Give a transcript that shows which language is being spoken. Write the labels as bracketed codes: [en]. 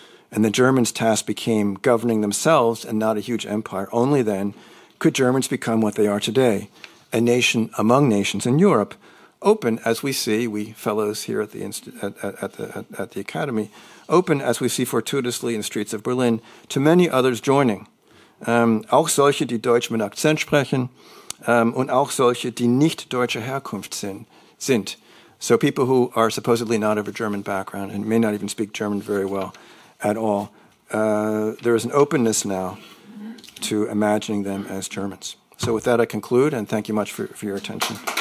[en] And the Germans' task became governing themselves and not a huge empire. Only then could Germans become what they are today, a nation among nations in Europe, open, as we see, we fellows here at the Academy, open, as we see fortuitously in the streets of Berlin, to many others joining. [de] Auch solche, die Deutsch mit Akzent sprechen, und auch solche, die nicht deutscher Herkunft sind. [en] So people who are supposedly not of a German background and may not even speak German very well at all, there is an openness now to imagining them as Germans. So with that, I conclude, and thank you much for your attention.